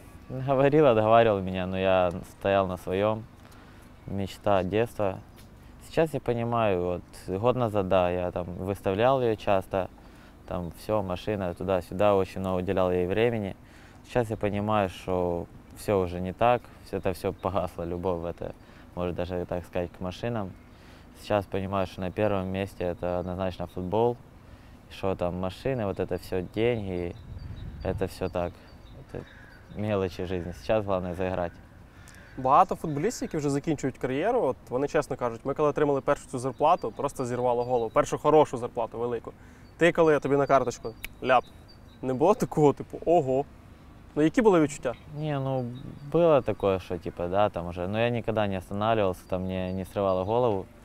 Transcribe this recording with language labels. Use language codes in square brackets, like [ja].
[uk] Не говорила, договорював мене, але я стояв на своєму. Мечта дитинства. Зараз я розумію, от год назад, да, я там виставляв її часто. Там все, машина туди-сюди, дуже багато уділяв їй часу. Зараз я розумію, що все вже не так. [ru] Это все погасло, любовь, это, может даже так сказать, к машинам. Сейчас понимаю, что на первом месте это однозначно футбол, что там машины, вот это все деньги, это все так, это мелочи жизни. Сейчас главное заиграть. [uk] Багато футболістів, які вже закінчують кар'єру, от вони чесно кажуть, ми коли отримали першу цю зарплату, просто зірвало голову, першу хорошу зарплату велику. Ти коли тобі на карточку ляп, не було такого типу, ого. Ну, які були відчуття? Ні, ну, було таке, що, типу, да, там вже, ну, я ніколи не останавливався, там мені не стривало голову.